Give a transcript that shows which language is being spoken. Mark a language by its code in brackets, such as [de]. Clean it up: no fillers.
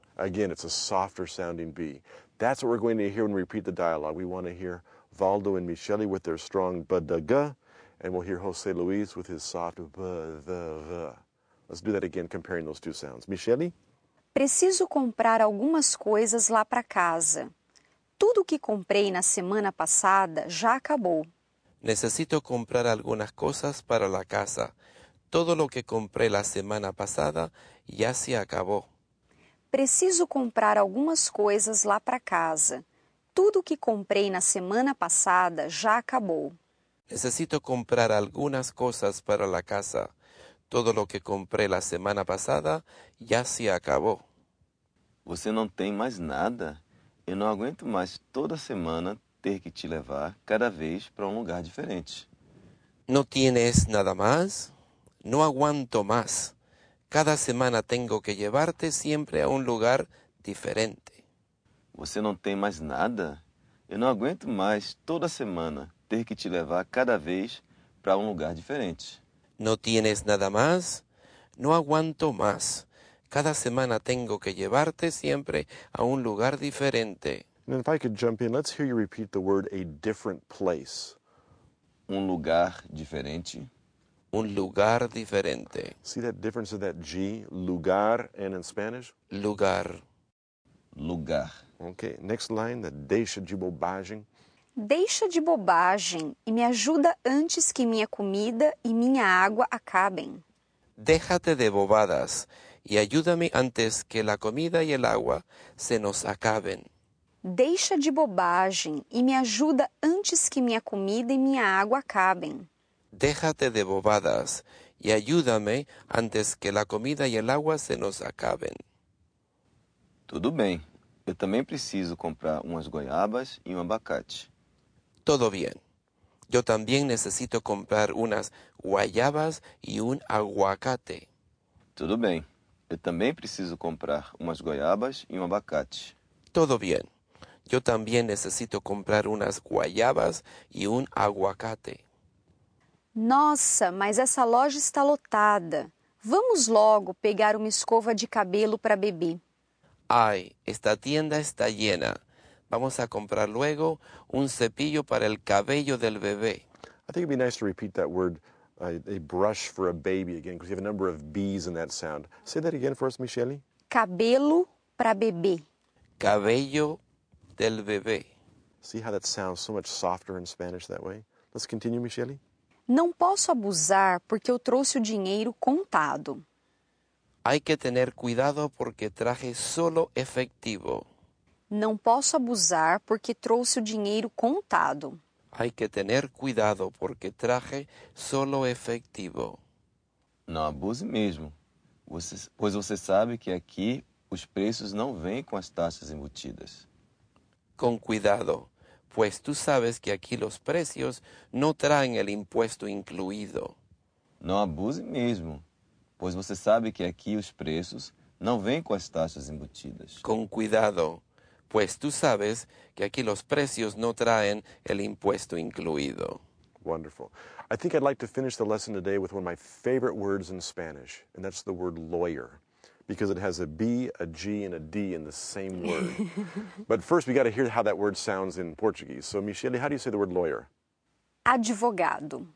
[en] Again, it's a softer sounding B. That's what we're going to hear when we repeat the dialogue. We want to hear Valdo and Michele with their strong ba-da-ga, and we'll hear Jose Luis with his soft ba-da-ga. Let's do that again, comparing those two sounds. Michele? [pt] Preciso comprar algumas coisas lá para casa. Tudo que comprei na semana passada já acabou. [es] Necesito comprar [pt] algumas coisas [es] para la casa. Todo lo que compré la semana pasada ya se acabó. [pt] Preciso comprar algumas coisas lá para casa. Tudo que comprei na semana passada já acabou. [es] Necesito comprar [pt] algumas coisas [es] para la casa. Todo lo que compré la semana pasada ya se acabou. [pt] Você não tem mais nada. Eu não aguento mais toda semana ter que te levar cada vez para lugar diferente. [es] No tienes nada más. No aguanto más. Cada semana tengo que llevarte siempre a lugar diferente. [pt] Você não tem mais nada? Eu não aguento mais toda semana ter que te levar cada vez para lugar diferente. [es] No tienes nada más? No aguanto más. Cada semana tengo que llevarte siempre a lugar diferente. [en] And if I could jump in, let's hear you repeat the word a different place. [pt] Lugar diferente. [es] Lugar diferente. [en] See that difference of that G, lugar, and in Spanish? [es] Lugar. Lugar. [en] Okay, next line, the [pt] deixa de bobagem. Deixa de bobagem e me ajuda antes que minha comida e minha água acabem. [es] Déjate de bobadas e ayúdame antes que la comida y el agua se nos acaben. [pt] Deixa de bobagem e me ajuda antes que minha comida e minha água acabem. [es] Déjate de bobadas y ayúdame antes que la comida y el agua se nos acaben. [pt] Tudo bem. Eu também preciso comprar umas goiabas e abacate. [es] Todo bien. Yo también necesito comprar unas guayabas y aguacate. [pt] Tudo bem. Eu também preciso comprar umas goiabas e abacate. [es] Todo bien. Yo también necesito comprar unas guayabas y aguacate. [pt] Nossa, mas essa loja está lotada. Vamos logo pegar uma escova de cabelo para bebê. [es] Ai, esta tienda está llena. Vamos a comprar luego cepillo para el cabello del bebé. [en] I think it'd be nice to repeat that word, a brush for a baby again, because you have a number of B's in that sound. Say that again for us, Michele. [pt] Cabelo para bebê. [es] Cabello del bebé. [en] See how that sounds so much softer in Spanish that way? Let's continue, Michele. [pt] Não posso abusar porque eu trouxe o dinheiro contado. [es] Hay que tener cuidado porque traje solo efectivo. [pt] Não posso abusar porque trouxe o dinheiro contado. [es] Hay que tener cuidado porque traje solo efectivo. [pt] Não abuse mesmo, pois você sabe que aqui os preços não vêm com as taxas embutidas. [es] Con cuidado. Pues tú sabes que aquí los precios no traen el impuesto incluido. No abuse mismo, pues você sabe que aquí los precios no vêm con las taxas embutidas. Con cuidado, pues tú sabes que aquí los precios no traen el impuesto incluido. [en] Wonderful. I think I'd like to finish the lesson today with one of my favorite words in Spanish, and that's the word lawyer. Because it has a B, a G, and a D in the same word. But first, we got to hear how that word sounds in Portuguese. So, Michele, how do you say the word lawyer? [pt] Advogado.